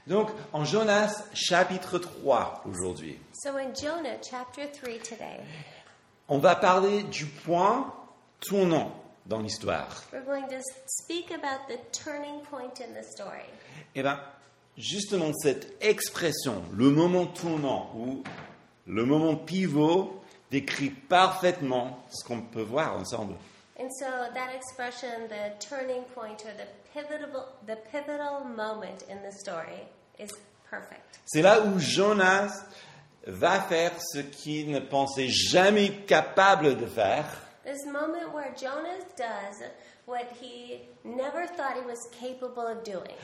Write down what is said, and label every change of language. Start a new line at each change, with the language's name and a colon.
French: Donc, en Jonas, chapitre 3, aujourd'hui.
English: So in Jonah, chapter 3 today,
French: on va parler du point tournant dans l'histoire.
English: We're going to speak about the turning point in the story.
French: Et bien, justement, cette expression, le moment tournant ou le moment pivot, décrit parfaitement ce qu'on peut voir ensemble.
English: And so that expression, the turning point or the pivotal moment in the story, is perfect.
French: C'est là où Jonas va faire ce qu'il ne pensait jamais capable de faire.
English: This moment where Jonas does what he never thought he was capable of doing.